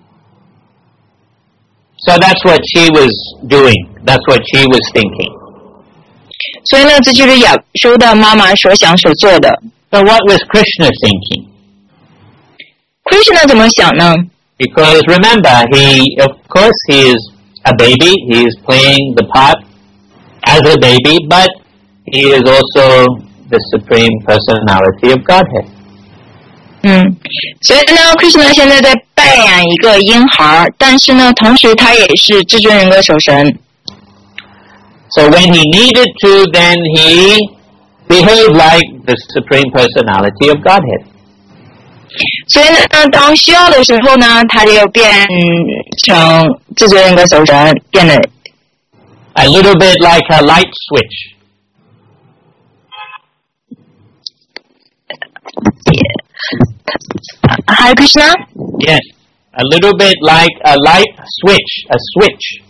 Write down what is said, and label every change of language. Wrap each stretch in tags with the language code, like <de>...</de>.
<zh>所以呢，他把Krishna放下之后呢，他就去找一些婆罗门举行一些仪式，以驱除这些邪灵的不好的影响。</zh> <en>So that's what she was doing. That's what she was thinking.</en> <zh>所以呢，这就是亚修的妈妈所想所做的。</zh> <en>So what was Krishna thinking?</en> <zh>Krishna 怎么想呢？</zh> <en>Because remember, he is a baby. He is playing the part as a baby, but He is also the Supreme Personality of Godhead.</en> <zh>所以呢 ，Krishna 现在在扮演一个婴孩，但是呢，同时他也是至尊人格守神。</zh> <en>So when he needed to, then he behaved like the Supreme Personality of Godhead.</en> <zh>所以呢，当需要的时候呢，他就变成至尊人格守神，变得</zh> <en>a little bit like a light switch. Hi Krishna. Yes, a little bit like a light switch, a switch.</en>